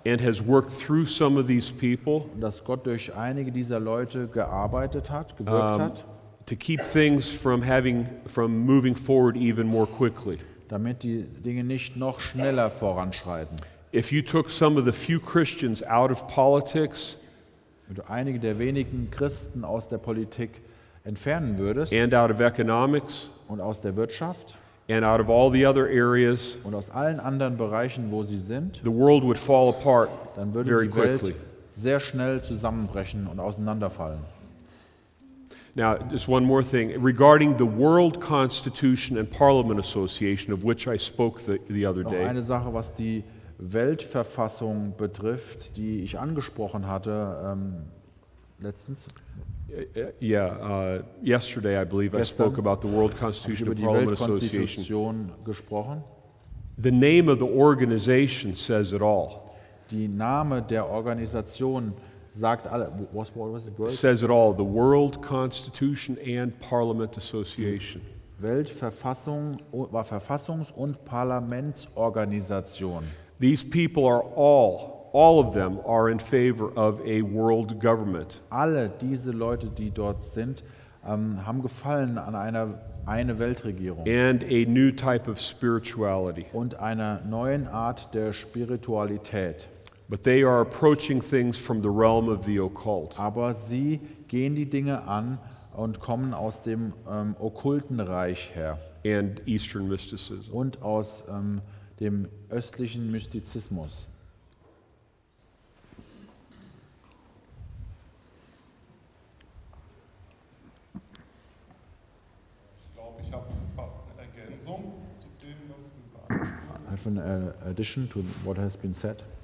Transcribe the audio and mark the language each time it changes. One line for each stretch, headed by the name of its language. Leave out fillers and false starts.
English: And has worked through some of these people.
German: Und dass Gott durch einige dieser Leute gearbeitet hat, gewirkt hat.
English: To keep things from moving forward even more quickly.
German: Damit die Dinge nicht noch schneller voranschreiten.
English: If you took some of the few Christians out of politics,
German: wenn du einige der wenigen Christen aus der Politik entfernen würdest,
English: and out of economics,
German: und aus der Wirtschaft,
English: and out of all the other areas,
German: und aus allen anderen Bereichen, wo sie sind,
English: the world would fall apart,
German: dann würde die Welt sehr schnell zusammenbrechen und auseinanderfallen.
English: Now, just one more thing regarding the World Constitution and Parliament Association, of which I spoke the other day.
German: Noch eine Sache, was die Weltverfassung betrifft, die ich angesprochen hatte letztens.
English: Yeah, yesterday I believe I spoke about the World Constitution and Parliament Association.
German: Gesprochen.
English: The name of the organization says it all.
German: Die Name der Organisation sagt alle,
English: was it called? Says it all. The World Constitution and Parliament Association.
German: Weltverfassung war Verfassungs- und Parlamentsorganisation.
English: These people are all of them are in favor of a world government.
German: Alle diese Leute, die dort sind, haben Gefallen an eine Weltregierung.
English: And a new type of spirituality.
German: Und einer neuen Art der Spiritualität.
English: But they are approaching things from the realm of the occult.
German: Aber sie gehen die Dinge an und kommen aus dem okkulten Reich her.
English: And Eastern mysticism.
German: Und aus dem östlichen Mystizismus. Ich glaube, ich habe fast eine Ergänzung zu dem, was gesagt wurde.
English: I have an addition to what has been said.